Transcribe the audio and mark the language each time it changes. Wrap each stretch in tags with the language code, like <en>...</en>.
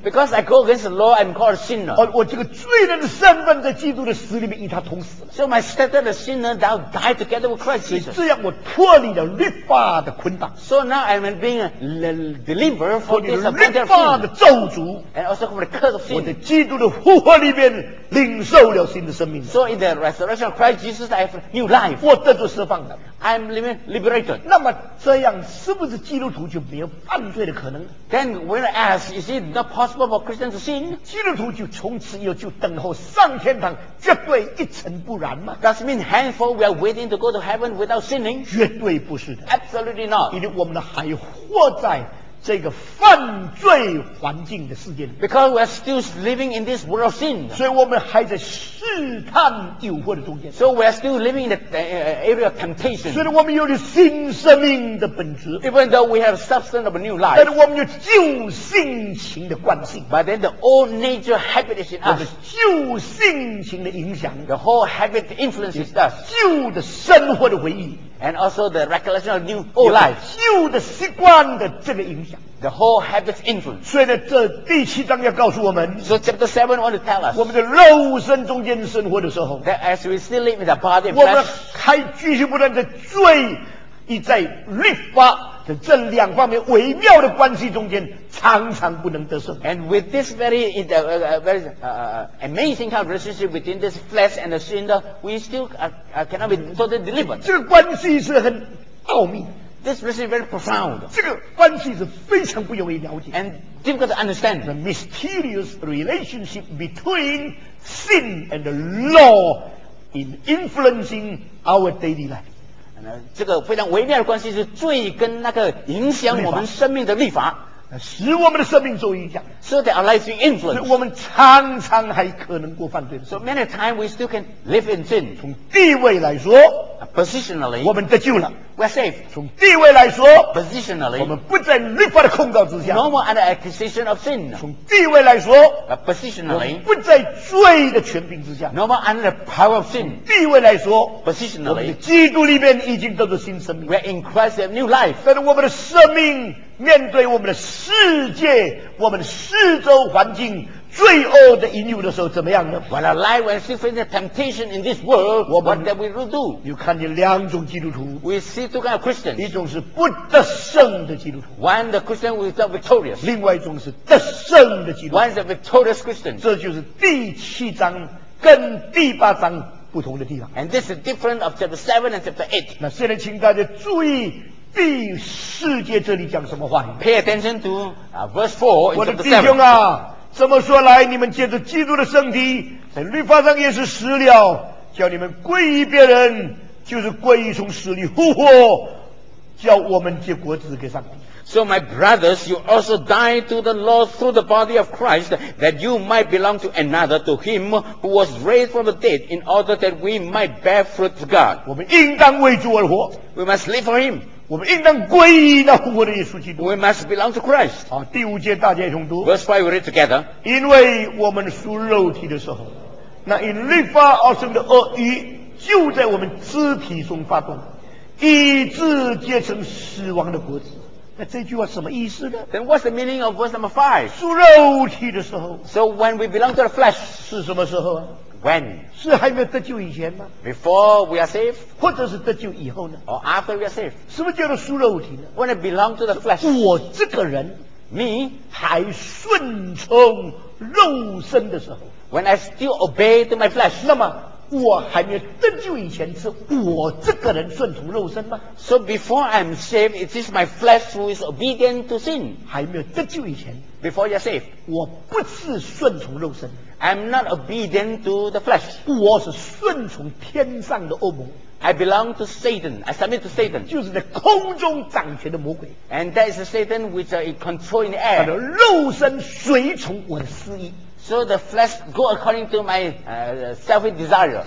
<en>Because I go against the law I'm called a sinner</en> <zh>我这个罪人的身份在基督的死里面与他同死了</zh> <en>So my status of sinner thou died together with Christ Jesus</en> <zh>这样我脱离了律法的捆绑</zh> <en>So now I'm being delivered from this bondage of sin</en> <zh>律法的咒诅</zh> <en>And also from the curse of sin</en> <zh>我在基督的复活里面领受了新的生命</zh> <en>So in the resurrection of Christ Jesus I have new life</en> <zh>我得到释放的</zh> <en>I'm liberated</en> <zh>那么这样是不是基督徒就没有犯罪的可能</zh> <en>Then when I ask Is it not possible for Christians to sin</en> <zh>基督徒就从此以后就等候上天堂绝对一尘不染吗</zh> <en>Does it mean handful we are waiting to go to heaven without sinning</en> <zh>绝对不是的</zh> <en>Absolutely not</en> <zh>因为我们还活在这个犯罪环境的世界里。</zh> <en>Because we are still living in this world of sin.</en> <zh>所以我们还在试探诱惑的中间。</zh> <en>So we are still living in the area of temptation.</en> <zh>所以我们有着新生命的本质。</zh> <en>Even though we have substance of a new life.</en> <zh>但是我们有旧性情的惯性。</zh> <en>But then the old nature habit is in us.</en> <zh>旧性情的影响。</zh> <en>The whole habit influences us.</en> <zh>旧的生活的回忆。</zh> <en>And also the recollection of new old life.</en> <zh>旧的习惯的这个影响。</zh> <en>The whole habit's influence.</en> <zh>所以呢，这第七章要告诉我们。</zh> <en>So chapter 7 want to tell us.</en> <zh>我们的肉身中间生活的时候。</zh> <en>That as we still live in the body and flesh.</en> <zh>我们还继续不断的罪，一在律法的这两方面微妙的关系中间，常常不能得胜。</zh> <en>And with this very, very amazing kind of relationship between this flesh and the sin, we still cannot be totally delivered.</en> <zh>这个关系是很奥秘。</zh> <en>This relationship is very profound.</en> <zh>这个关系是非常不容易了解。</zh> <en>And difficult to understand. The mysterious relationship between sin and the law in influencing our daily life.</en> <zh>这个非常微妙的关系是罪跟那个影响我们生命的律法，使我们的生命受影响。</zh> <en>So that our life is influenced.</en> <zh>我们常常还可能过犯罪。</zh> <en>So many times we still can live in sin.</en> <zh>从地位来说</zh> <en>，positionally，</en> <zh>我们得救了</zh> <en>，we are safe.</en> <zh>从地位来说</zh> <en>，positionally，</en> <zh>我们不在律法的控告之下</zh> <en>，no more under accusation of sin.</en> <zh>从地位来说</zh> <en>，positionally，</en> <zh>我们不在罪的权柄之下</zh> <en>，no more under the power of sin.</en> <zh>地位来说</zh> <en>，positionally，</en> <zh>我们基督里面已经得到新生命</zh> <en>，we are in Christ a new life.</en> <zh>但是我们的生命面对我们的世界，我们的四周环境罪恶的引诱的时候，怎么样呢</zh> <en>？When our life when we face the temptation in this world, what that we will do?</en> <zh>你看见两种基督徒</zh> <en>，We see two kind of Christians.</en> <zh>一种是不得胜的基督徒</zh> <en>，One the Christian who is not victorious.</en> <zh>另外一种是得胜的基督徒</zh> <en>，One is a victorious Christian.</en> <zh>这就是第七章跟第八章不同的地方。</zh> <en>And this is different of chapter 7 and chapter 8.</en> <zh>那现在请大家注意。第四节这里讲什么话</zh> <en>？Pay attention to verse 4.</en> <zh>我的弟兄啊，这么说来，你们借着基督的身体，在律法上也是死了，叫你们归于别人，就是归于从死里复活，叫我们借国子给上帝。</zh> <en>So my brothers, you also died to the law through the body of Christ, that you might belong to another, to him who was raised from the dead, in order that we might bear fruit to God.</en> <zh>我们应当为主而活。</zh> <en>We must live for him.</en> <zh>我们应当归于那复活的耶稣基督。</zh> <en>We must belong to Christ.</en> <zh>啊，第五节大家诵读。</zh> <en>Verse 5 we read together.</en> <zh>因为我们属肉体的时候，那因律法而生的恶意就在我们肢体中发动，以致结成死亡的果子。那这句话什么意思呢</zh> <en>？Then what's the meaning of verse number 5?</en> <zh>属肉体的时候。</zh> <en>So when we belong to the flesh</en> <zh>是什么时候啊？</zh> <en>When?</en> <zh>是还没有得救以前吗</zh> <en>？Before we are saved，</en> <zh>或者是得救以后呢</zh> <en>？Or after we are saved，</en> <zh>是不是叫做属肉体呢</zh> <en>？When I belong to the flesh，</en> <zh>我这个人</zh> <en>，me</en> <zh>还顺从肉身的时候</zh> <en>，When I still obey to my flesh，</en> <zh>那么我还没有得救以前是我这个人顺从肉身吗</zh> <en>？So before I am saved， it is my flesh who is obedient to sin，</en> <zh>还没有得救以前</zh> <en>，before you are saved，</en> <zh>我不是顺从肉身。</zh> <en>I'm not obedient to the flesh.</en> <zh>我是顺从天上的恶魔。</zh> <en>I belong to Satan. I submit to Satan.</en> <zh>就是在空中掌权的魔鬼。</zh> <en>And that is Satan which is controlling the air.</en> <zh>他的肉身随从我的私意。</zh> <en>So the flesh go according to my selfish desire.</en>